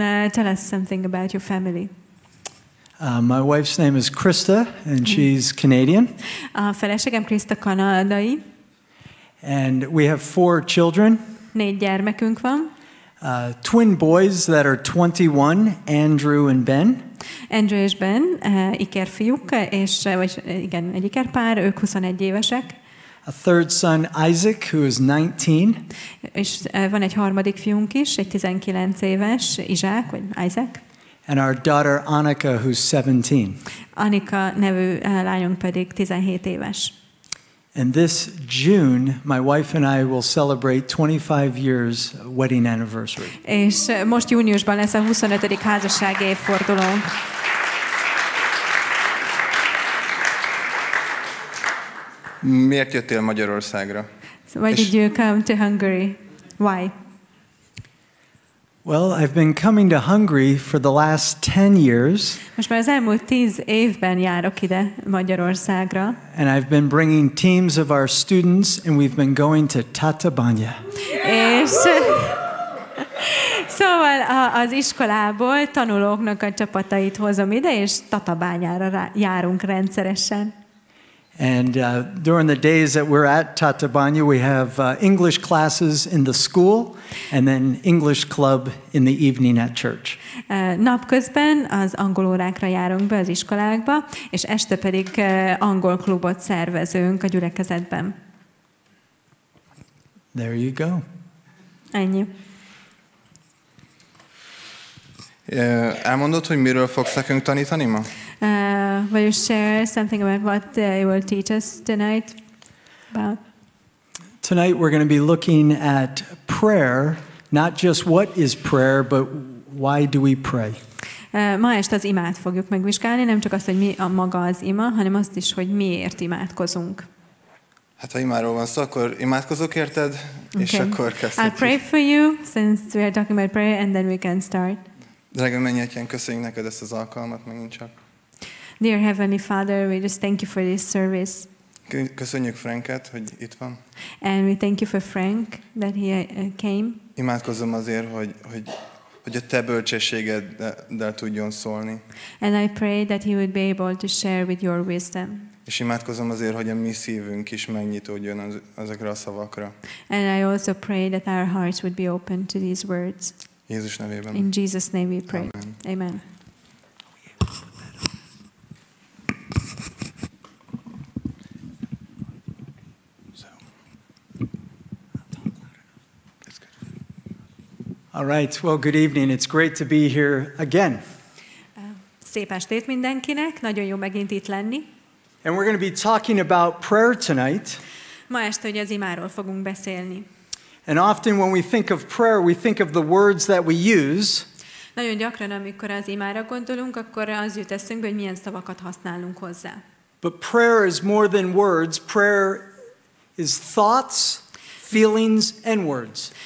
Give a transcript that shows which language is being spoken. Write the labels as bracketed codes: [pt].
[en] Tell us something about your family. My wife's name is Krista, and she's Canadian. [hu] A feleségem Krista kanadai. [en] And we have 4 children. [hu] 4 gyermekünk van. [en] Twin boys that are 21, Andrew and Ben. [hu] Andrew és Ben, ikerfiúk, és vagy igen, egy ikerpár, ők 21 évesek. [en] A third son, Isaac, who is 19. [hu] És van egy harmadik fiunk is, egy 19 éves, Izsák, vagy Isaac. [en] And our daughter, Annika, who's 17. [hu] Annika nevű lányunk pedig 17 éves. [en] And this June, my wife and I will celebrate 25 years wedding anniversary. [hu] És most júniusban lesz a 25. házassági évforduló. Miért jöttél Magyarországra? [en] So why did you come to Hungary? Why? Well, I've been coming to Hungary for the last 10 years. [hu] Most már az elmúlt 10 évben járok ide Magyarországra. [en] And I've been bringing teams of our students and we've been going to Tatabánya. [hu] És szóval az iskolából tanulóknak a csapatait hozom ide és Tatabányára járunk rendszeresen. [en] And during the days that we're at Tatabánya, we have English classes in the school, and then English club in the evening at church. [hu] Napközben az angol órákra járunk be az iskolákba, és este pedig angol klubot szervezünk a gyülekezetben. [en] There you go. [hu] Ennyi. Elmondod, hogy miről fogsz nekünk tanítani ma? [en] Will you share something about what you will teach us tonight? About? Tonight we're going to be looking at prayer, not just what is prayer, but why do we pray? [hu] Ma este az imát fogjuk megvizsgálni, nem csak azt, hogy mi a maga az ima, hanem azt is, hogy miért imádkozunk. Hát ha imáról van szó, akkor imádkozok érted, okay. És akkor kezdjük. [en] I'll pray for you, since we are talking about prayer, and then we can start. [hu] Drága mennyi atyán, köszönjük neked ezt az alkalmat megint csak. [en] Dear Heavenly Father, we just thank you for this service. [hu] Köszönjük Franket, hogy itt van. [en] And we thank you for Frank, that he came. [hu] Imádkozom azért, hogy a te bölcsességeddel tudjon szólni. [en] And I pray that he would be able to share with your wisdom. [hu] És imádkozom azért, hogy a mi szívünk is megnyitódjon ezekre a szavakra. [en] And I also pray that our hearts would be open to these words. [hu] Jézus nevében. [en] In Jesus' name we pray. Amen. [hu] Amen. [en] All right. Well, good evening. It's great to be here again. [hu] Szép estét mindenkinek. Nagyon jó megint itt lenni. [en] And we're going to be talking about prayer tonight. [hu] Ma este ugye az imáról fogunk beszélni. [en] And often when we think of prayer, we think of the words that we use. [hu] Nagyon gyakran, amikor az imára gondolunk, akkor az jut eszünkbe, hogy milyen szavakat használunk hozzá. [en] But prayer is more than words. Prayer is thoughts, feelings and words.